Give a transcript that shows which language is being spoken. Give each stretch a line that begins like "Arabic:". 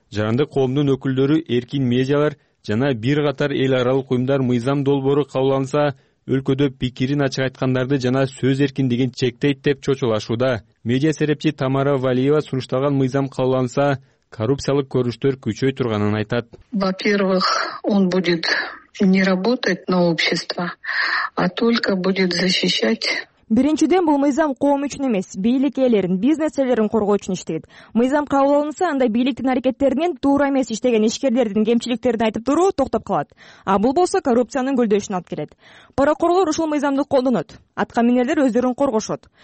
Kyrgyz: Жарандык коомдун өкүлдөрү, эркин медиалар жана бир катар эл аралык уюмдар мыйзам долбоору кабылданса өлкөдө пикирин ачык айткандарды жана сөз эркиндигин чектейт деп чочулашууда. Медиа серепчи Тамара Валиева сунушталган мыйзам кабылданса коррупциялык көрүнүштөр күчөй турганын айтат.
Russian: Во-первых, он будет не работать на общество, а только будет защищать.
Kyrgyz: Биринчиден, бул мыйзам коом үчүн эмес, бийлик ээлерин, бизнес ээлерин коргоо үчүн иштейт. Мыйзам кабыл алынса, анда бийликтин аракеттеринен туура эмес иштеген ишкерлердин кемчиликтерин айтып туруу токтоп калат. А бул болсо коррупциянын көлдөшүнө алып келет. Паракорлор ушул мыйзамды колдонот. Аткаминерлер өздөрүн коргошот.